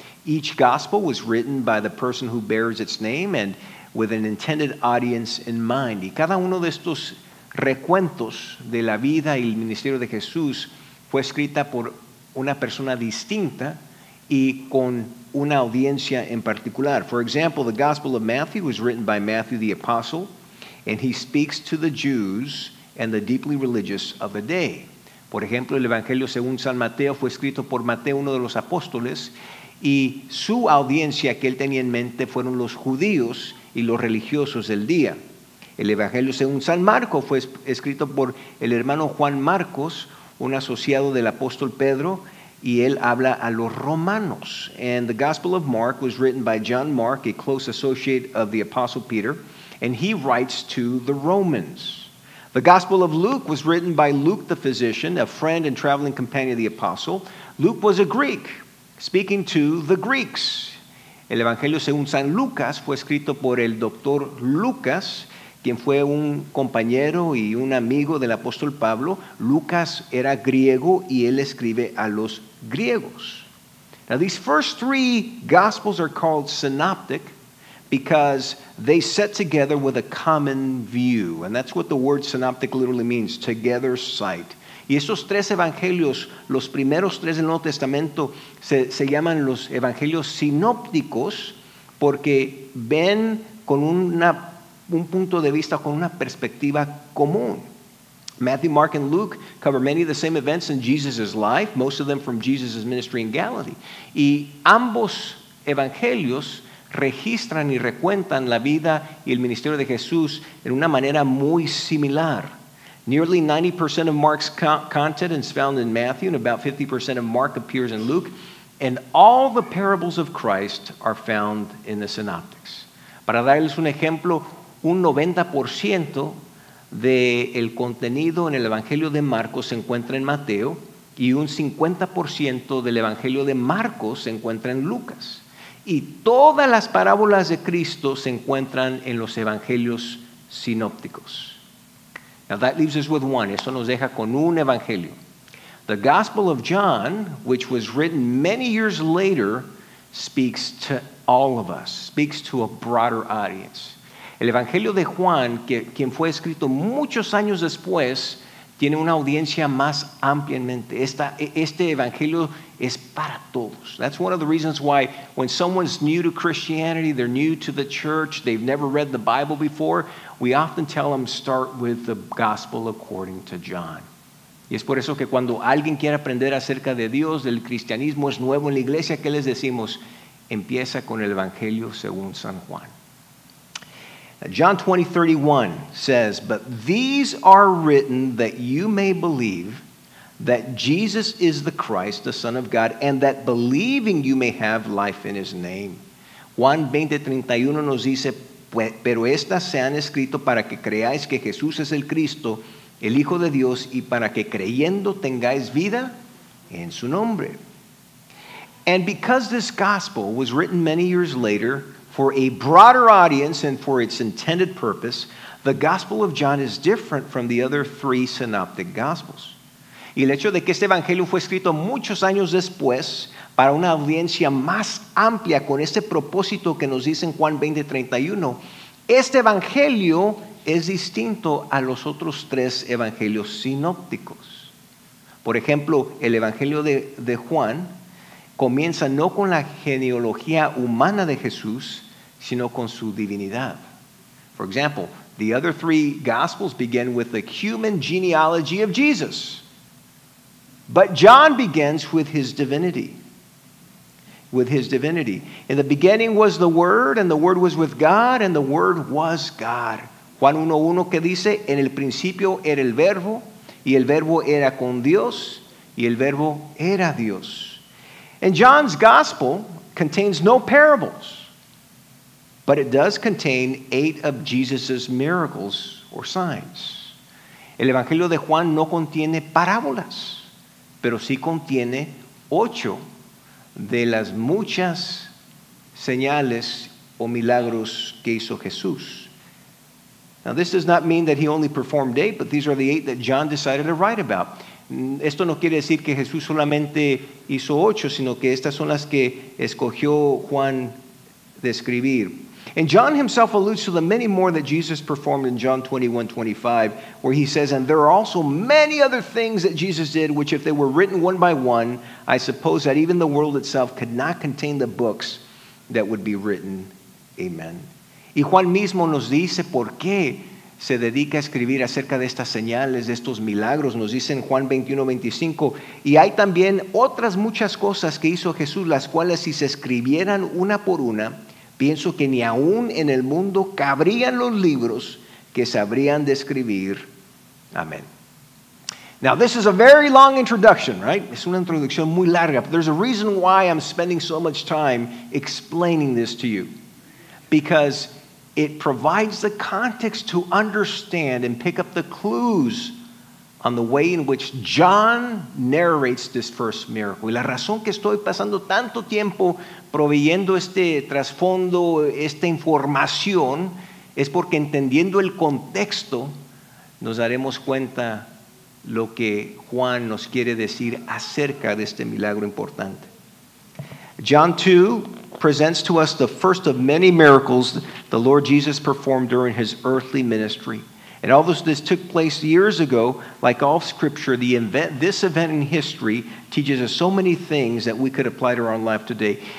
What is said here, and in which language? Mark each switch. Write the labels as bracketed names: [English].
[English] Each Gospel was written by the person who bears its name and with an intended audience in mind. [Spanish] Y cada uno de estos recuentos de la vida y el ministerio de Jesús fue escrita por una persona distinta y con una audiencia en particular. [English] For example, the Gospel of Matthew was written by Matthew the Apostle, and he speaks to the Jews and the deeply religious of the day. [Spanish] Por ejemplo, el Evangelio según San Mateo fue escrito por Mateo, uno de los apóstoles, y su audiencia que él tenía en mente fueron los judíos y los religiosos del día. El Evangelio según San Marco fue escrito por el hermano Juan Marcos, un asociado del apóstol Pedro, y él habla a los romanos. [English] And the Gospel of Mark was written by John Mark, a close associate of the Apostle Peter, and he writes to the Romans. The Gospel of Luke was written by Luke the physician, a friend and traveling companion of the Apostle. Luke was a Greek, speaking to the Greeks. [Spanish] El Evangelio según San Lucas fue escrito por el doctor Lucas, quien fue un compañero y un amigo del apóstol Pablo. Lucas era griego y él escribe a los griegos. [English] Now, these first three Gospels are called synoptic because they set together with a common view. And that's what the word synoptic literally means, together sight. [Spanish] Y estos tres evangelios, los primeros tres del Nuevo Testamento, se llaman los evangelios sinópticos porque ven con un punto de vista con una perspectiva común. [English] Matthew, Mark, and Luke cover many of the same events in Jesus' life, most of them from Jesus' ministry in Galilee. [Spanish] Y ambos evangelios registran y recuentan la vida y el ministerio de Jesús en una manera muy similar. [English] Nearly 90% of Mark's content is found in Matthew, and about 50% of Mark appears in Luke. And all the parables of Christ are found in the synoptics. [Spanish] Para darles un ejemplo, un 90% del contenido en el Evangelio de Marcos se encuentra en Mateo y un 50% del Evangelio de Marcos se encuentra en Lucas. Y todas las parábolas de Cristo se encuentran en los Evangelios sinópticos. [English] Now that leaves us with one. [Spanish] Eso nos deja con un Evangelio. [English] The Gospel of John, which was written many years later, speaks to all of us, speaks to a broader audience. [Spanish] El Evangelio de Juan, quien fue escrito muchos años después, tiene una audiencia más amplia en mente. Este Evangelio es para todos. [English] That's one of the reasons why when someone's new to Christianity, they're new to the church, they've never read the Bible before, we often tell them, start with the Gospel according to John. [Spanish] Y es por eso que cuando alguien quiere aprender acerca de Dios, del cristianismo, es nuevo en la iglesia, ¿qué les decimos? Empieza con el Evangelio según San Juan. [English] John 20:31 says, "But these are written that you may believe that Jesus is the Christ, the Son of God, and that believing you may have life in his name." [Spanish] Juan 20:31 nos dice, "Pero estas se han escrito para que creáis que Jesús es el Cristo, el Hijo de Dios, y para que creyendo tengáis vida en su nombre." [English] And because this gospel was written many years later, for a broader audience and for its intended purpose, the Gospel of John is different from the other three synoptic gospels. [Spanish] Y el hecho de que este evangelio fue escrito muchos años después para una audiencia más amplia con este propósito que nos dice en Juan 20:31, este evangelio es distinto a los otros tres evangelios sinópticos. Por ejemplo, el evangelio de Juan comienza no con la genealogía humana de Jesús, sino con su divinidad. [English] For example, the other three Gospels begin with the human genealogy of Jesus. But John begins with his divinity. With his divinity. In the beginning was the Word, and the Word was with God, and the Word was God. [Spanish] Juan 1:1 que dice, en el principio era el Verbo, y el Verbo era con Dios, y el Verbo era Dios. [English] And John's gospel contains no parables, but it does contain 8 of Jesus' miracles or signs. [Spanish] El Evangelio de Juan no contiene parábolas, pero sí contiene 8 de las muchas señales o milagros que hizo Jesús. [English] Now, this does not mean that he only performed 8, but these are the 8 that John decided to write about. [Spanish] Esto no quiere decir que Jesús solamente hizo 8, sino que estas son las que escogió Juan describir. [English] And John himself alludes to the many more that Jesus performed in John 21:25, where he says, "And there are also many other things that Jesus did, which if they were written one by one, I suppose that even the world itself could not contain the books that would be written." Amen. [Spanish] Y Juan mismo nos dice por qué se dedica a escribir acerca de estas señales, de estos milagros, nos dice en Juan 21:25. Y hay también otras muchas cosas que hizo Jesús, las cuales si se escribieran una por una, pienso que ni aún en el mundo cabrían los libros que sabrían de escribir. Amén. [English] Now, this is a very long introduction, right? [Spanish] Es una introducción muy larga, [English] but there's a reason why I'm spending so much time explaining this to you. Because it provides the context to understand and pick up the clues on the way in which John narrates this first miracle. [Spanish] Y la razón que estoy pasando tanto tiempo proveyendo este trasfondo, esta información, es porque entendiendo el contexto, nos daremos cuenta lo que Juan nos quiere decir acerca de este milagro importante. [English] John 2 presents to us the first of many miracles the Lord Jesus performed during his earthly ministry. And although this took place years ago, like all scripture, this event in history teaches us so many things that we could apply to our own life today.